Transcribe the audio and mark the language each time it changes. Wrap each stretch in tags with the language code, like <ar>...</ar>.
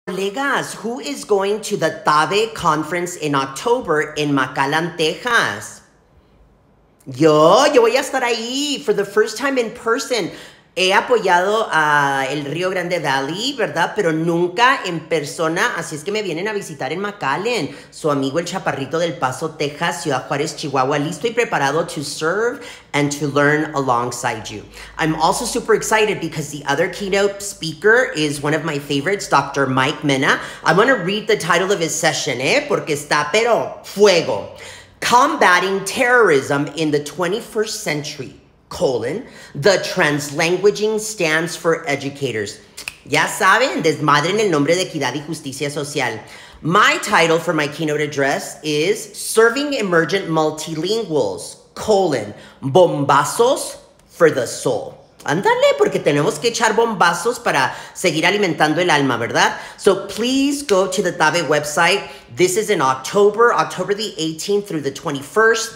<en>Legas, who is going to the TABE conference in October in McAllen, Texas?</en> <es>Yo voy a estar ahí</es> <en>for the first time in person.</en> <es>He apoyado a el Rio Grande Valley, ¿verdad? Pero nunca en persona, así es que me vienen a visitar en McAllen. Su amigo el chaparrito del Paso, Texas, Ciudad Juárez, Chihuahua, listo y preparado</es> <en>to serve and to learn alongside you. I'm also super excited because the other keynote speaker is one of my favorites, Dr. Mike Mena. I want to read the title of his session,</en> <es>porque está pero fuego.</es> <en>Combating Terrorism in the 21st Century. Colon, the translanguaging stands for educators.</en> <es>Ya saben, desmadre en el nombre de equidad y justicia social.</es> <en>My title for my keynote address is Serving Emergent Multilinguals, colon, bombazos for the soul.</en> <es>Ándale, porque tenemos que echar bombazos para seguir alimentando el alma, ¿verdad?</es> <en>So please go to the TABE website. This is in October, October the 18th through the 21st.</en>